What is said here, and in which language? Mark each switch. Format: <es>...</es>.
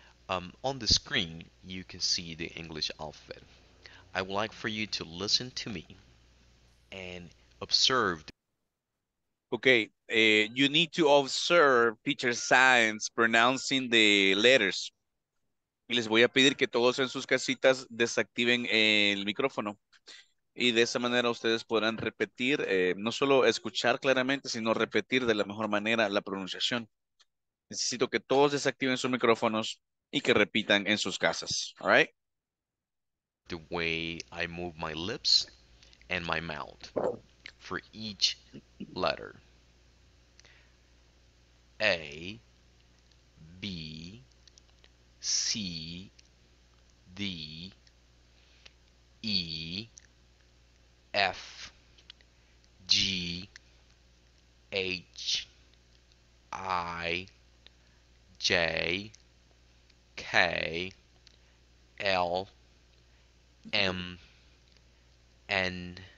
<en>On the screen, you can see the English alphabet. I would like for you to listen to me and observe. Okay, you need to observe teacher signs pronouncing the letters.</en> <es>Y les voy a pedir que todos en sus casitas desactiven el micrófono. Y de esa manera ustedes podrán repetir, no solo escuchar claramente, sino repetir de la mejor manera la pronunciación. Necesito que todos desactiven sus micrófonos y que repitan en sus casas.</es> <en>All right? The way I move my lips and my mouth for each letter. A, B, C, D, E, F, G, H, I, J, K, L, M, N,</en>